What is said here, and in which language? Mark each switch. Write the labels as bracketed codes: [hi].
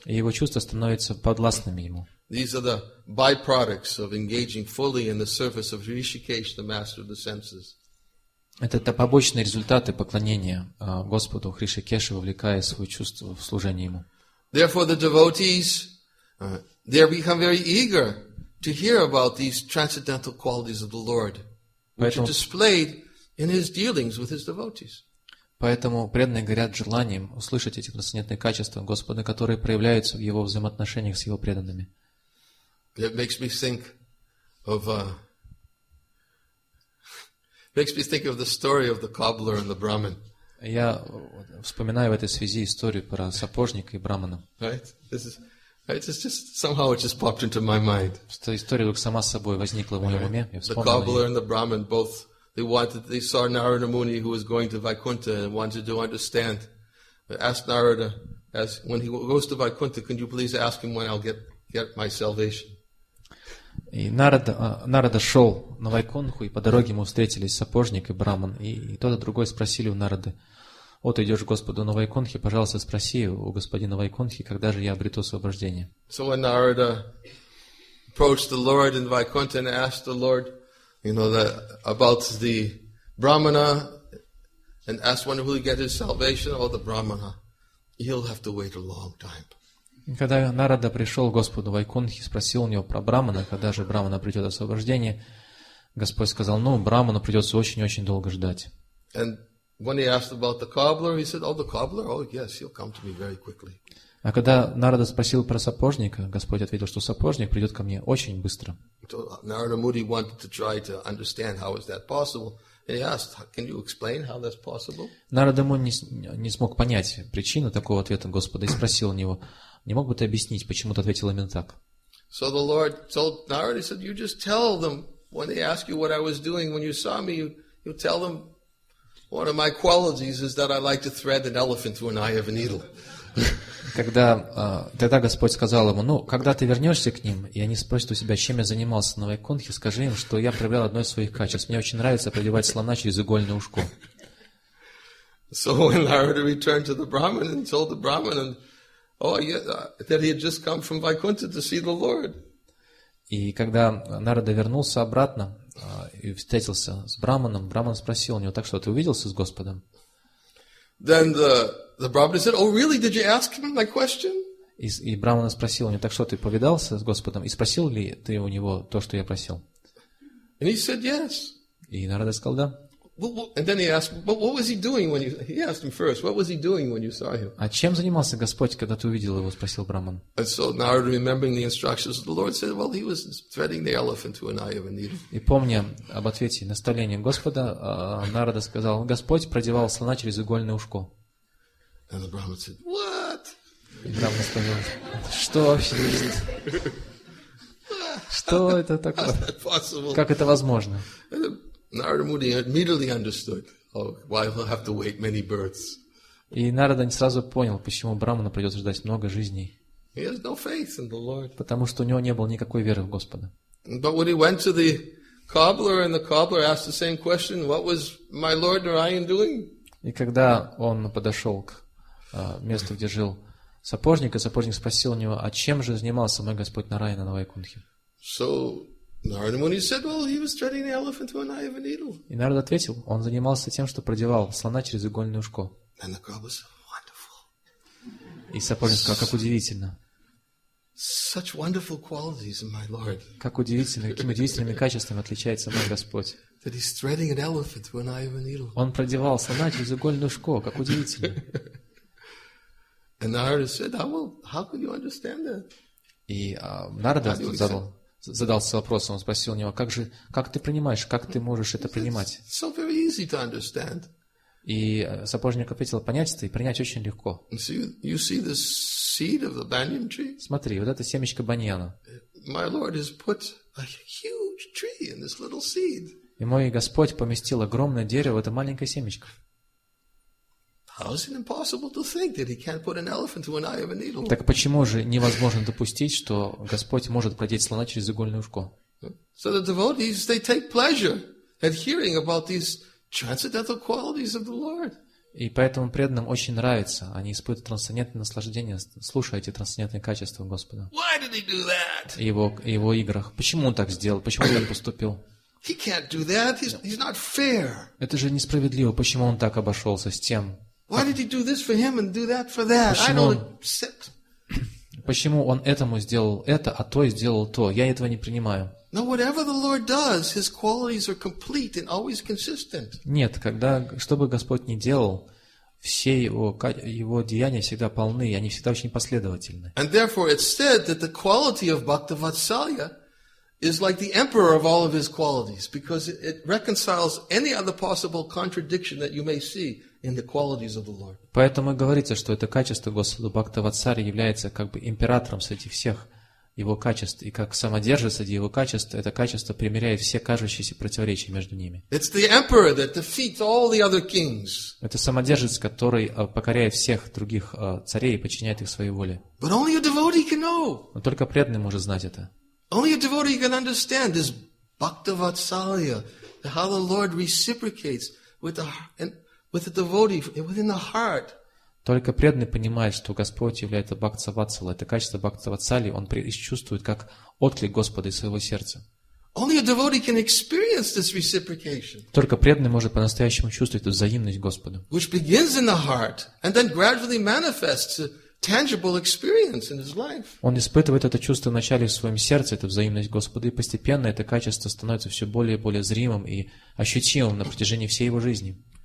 [ru] И его чувства становятся подвластными ему. [en] These are the byproducts of engaging fully in the service of Hrishikesh, the master of the senses. [ru] Это побочные результаты поклонения Господу Хришикеше, вовлекая свое чувство в служение ему. [en] Therefore, the devotees they become very eager to hear about these transcendental qualities of the Lord, which are displayed in His dealings with His devotees. [ru] Поэтому преданные горят желанием услышать эти трансцендентные качества Господа, которые проявляются в Его взаимоотношениях с Его преданными. [en] It makes me think of the story of the cobbler and the Brahmin. [ru] Я вспоминаю в этой связи историю про сапожника и брахмана. Эта история вдруг сама собой возникла в моем уме. [en] The cobbler and the brahmin both they saw Narada Muni who was going to Vaikuntha and wanted to understand. They asked Narada, as when he goes to Vaikuntha, can you please ask him when I'll get my salvation? [ru] И Нарада шел на Вайкунху, и по дороге ему встретились сапожник и брахман, и тот и другой спросили у Нарады: «Вот идешь к Господу на Вайкунхе, пожалуйста, спроси у господина Вайкунхи, когда же я обрету освобождение». [en] So when Narada approached the Lord in Vaikuntha and asked the Lord, you know, about the brahmana and asked when will he get his salvation, or the brahmana, he'll have to wait a long time. [ru] Когда Нарада пришел к Господу Вайкунхи, спросил у него про брахмана, когда же брахмана придет освобождение, Господь сказал: «Ну, брахману придется очень-очень долго ждать». А когда Нарада спросил про сапожника, Господь ответил, что сапожник придет ко мне очень быстро. [en] Нарада Муди wanted to try to understand how is that possible. And he asked, can you explain how that's possible? [ru] Нарада Муни не смог понять причину такого ответа Господа и спросил у него: не мог бы ты объяснить, почему ты ответил именно так? [en] So the Lord told Narada, he said, you just tell them, when they ask you what I was doing, when you saw me, you tell them, one of my qualities is that I like to thread an elephant through an eye of a needle. [ru] Тогда Господь сказал ему: ну, когда ты вернешься к ним, и они спросят у себя, чем я занимался на Вайкунхе, скажи им, что я проявлял одно из своих качеств. Мне очень нравится продевать слона через игольное ушко. [en] So when Narada returned to the Brahmin and told the Brahmin, that he had just come from Vaikuntha to see the Lord. [ru] И когда Нарада вернулся обратно и встретился с брахманом, брахман спросил у него: так что ты увиделся с Господом? [en] Then the brahman said, oh really, did you ask him my question? [ru] И брахман спросил у него: так что ты повидался с Господом и спросил ли ты у него то, что я просил? [en] And he said yes. [ru] И Нарада сказал да. [en] And then he asked, but what was he doing when you? He asked him first, what was he doing when you saw him? [ru] А чем занимался Господь, когда ты увидел его? Спросил брахман. [en] And so Narada, remembering the instructions of the Lord, said, well, he was threading the elephant through an eye of a needle. [ru] И помня об ответе, наставлении Господа, Нарада сказал: Господь продевал слона через игольное ушко. [en] And the brahman said, what? [ru] И брахман сказал: что вообще что это такое? Как это возможно? [en] Narada Muni immediately understood why he'll have to wait many births. [ru] И Нарада не сразу понял, почему брахману придется ждать много жизней. [en] He has no faith in the Lord. [ru] Потому что у него не было никакой веры в Господа. [en] But when he went to the cobbler and the cobbler asked the same question, what was my Lord Narayan doing? [ru] И когда он подошел к месту, где жил сапожник, и сапожник спросил у него: а чем же занимался мой Господь Нараяна на Вайкунхе? [en] So Narada Muni said, well, he was threading the elephant through an eye of a needle. [ru] И Нарада ответил: он занимался тем, что продевал слона через игольное ушко. [en] And the cobbler said, wonderful. [ru] И сапожник сказал: как удивительно. [en] Such wonderful qualities in my Lord. [ru] Как удивительно, какими удивительными качествами отличается мой Господь. [en] That he's threading an elephant through an eye of a needle. [ru] Он продевал слона через игольное ушко, как удивительно. [en] And Narada said, oh, well, how could you understand that? [ru] И Нарада задался вопросом, он спросил у него, как ты принимаешь, как ты можешь это принимать? [en] It's so very easy to understand. [ru] И сапожник ответил, понять это и принять очень легко. [en] You see the seed of the banyan tree? [ru] Смотри, вот это семечко баньяна. [en] My Lord has put a huge tree in this little seed. [ru] И мой Господь поместил огромное дерево в это маленькое семечко. [en] How is it impossible to think that he can't put an elephant through an eye of a needle? [ru] Так почему же невозможно допустить, что Господь может продеть слона через игольное ушко? [en] So the devotees, they take pleasure at hearing about these transcendental qualities of the Lord. [ru] И поэтому преданным очень нравится, они испытывают трансцендентное наслаждение, слушая эти трансцендентные качества Господа. [en] Why did he do that? [ru] Его играх. Почему он так сделал? Почему он так поступил? [en] He can't do that. He's not fair. [ru] Это же несправедливо. Почему он так обошелся с тем? [en] Why did he do this for him and do that for that? [ru] Почему он этому сделал это, а то и сделал то? Я этого не принимаю. [en] No, whatever the Lord does, his qualities are complete and always consistent. [ru] Нет, когда что бы Господь ни делал, все его деяния всегда полны, и они всегда очень последовательны. [en] And therefore it's said that the quality of Bhaktivatsalya is like the emperor of all of his qualities, because it reconciles any other possible contradiction that you may see in the qualities of the Lord. [ru] Поэтому говорится, что это качество Господа Бхактавацари является как бы императором среди всех его качеств, и как самодержец среди его качеств, это качество примиряет все кажущиеся противоречия между ними. [en] It's the emperor that defeats all the other kings. [ru] Это самодержец, который покоряет всех других царей и подчиняет их своей воле. [en] But only a devotee can know. [ru] Но только преданный может знать это. [en] Only a devotee can understand this Bhaktivatsalya, how the Lord reciprocates with a devotee within the heart. [ru] Только преданный понимает, что Господь является Бхактивацалой. Это качество Бхактивацалии, он чувствует как отклик Господа из своего сердца. [en] Only a devotee can experience this reciprocation. [ru] Только преданный может по-настоящему чувствовать эту взаимность Господа. [en] Which begins in the heart and then gradually manifests tangible experience in his life. [ru] Он испытывает это чувство вначале в своем сердце, это взаимность Господа, и постепенно это качество становится все более и более зримым и ощутимым на протяжении всей его жизни.